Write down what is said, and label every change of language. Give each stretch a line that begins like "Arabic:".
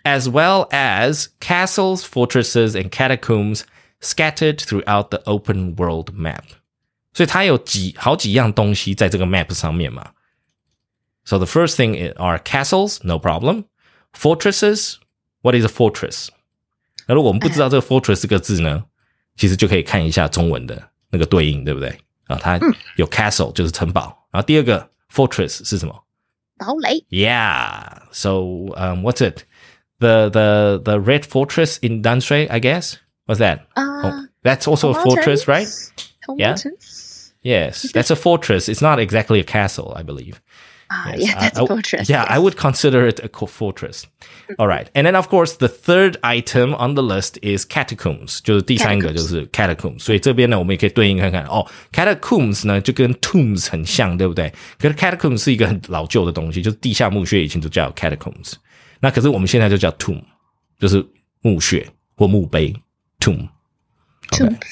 English: ？As well as castles, fortresses, and catacombs scattered throughout the open world map.
Chinese: 所以它有好几样东西在这个 map 上面嘛。
English: So the first thing are castles, no problem. Fortresses, what is a fortress?
Chinese: 那如果我们不知道这个 fortress 这个字呢，其实就可以看一下中文的那个对应，对不对？啊，它有 castle 就是城堡，然后第二个 fortress 是什么？堡垒。
English: Yeah. So what's it? The red fortress in Dantre, I guess. What's that? That's also a fortress, right? Yeah? Yes, that's a fortress. It's not exactly a castle, I believe. Yes, that's a fortress. Yeah, I would consider it a fortress. All right. And then, of course, the third item on the list is catacombs.
Chinese: 就是第三个就是 catacombs. 所以这边呢我们也可以对应看看。哦 catacombs 呢就跟 tombs 很像对不对可是 catacombs 是一个很老旧的东西就是地下墓穴以前就叫 catacombs. 那可是我们现在就叫 tomb, 就是墓穴或墓碑 tomb.
English: Okay,